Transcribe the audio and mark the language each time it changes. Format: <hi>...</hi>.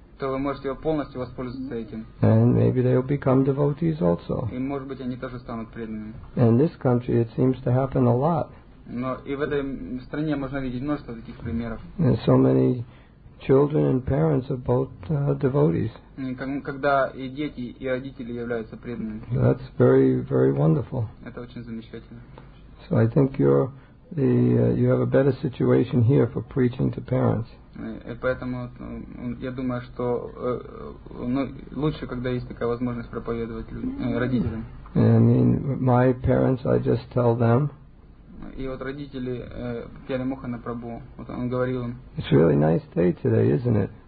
<ru>То вы можете полностью воспользоваться этим.</ru> <en>And maybe they will become devotees also.</en> <ru>И, может быть, они тоже станут преданными.</ru> <en>In this country it seems to happen a lot.</en> <ru>Но и в этой стране можно видеть множество таких примеров.</ru> <en>And so many children and parents are both devotees.</en> <ru>Когда и дети, и родители являются преданными.</ru> <en>That's very, very wonderful.</en> <ru>Это очень замечательно.</ru> <en>So I think you're you have a better situation here for preaching to parents.</en> <ru>И поэтому я думаю, что лучше, когда есть такая возможность проповедовать родителям.</ru> <en>I mean, my parents, I just tell them.</en> <ru>И вот родители пели Мохана Прабху. Вот он говорил им.</ru> <en>It's really nice day today, isn't it?</en>